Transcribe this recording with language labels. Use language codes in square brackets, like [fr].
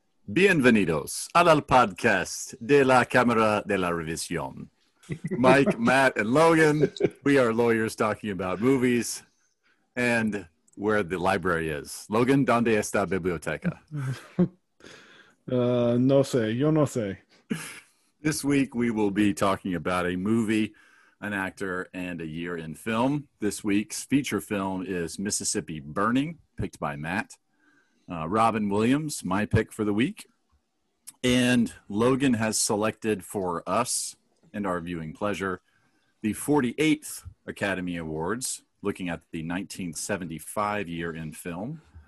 [es] Bienvenidos al podcast de la Cámara de la Revisión. [en] Mike, Matt, and Logan, we are lawyers talking about movies and where the library is. [es] Logan, ¿dónde está biblioteca? No sé, yo no sé. [en] This week we will be talking about a movie, an actor, and a year in film. This week's feature film is Mississippi Burning, picked by Matt. Robin Williams, my pick for the week. And Logan has selected for us and our viewing pleasure the 48th Academy Awards, looking at the 1975 year in film.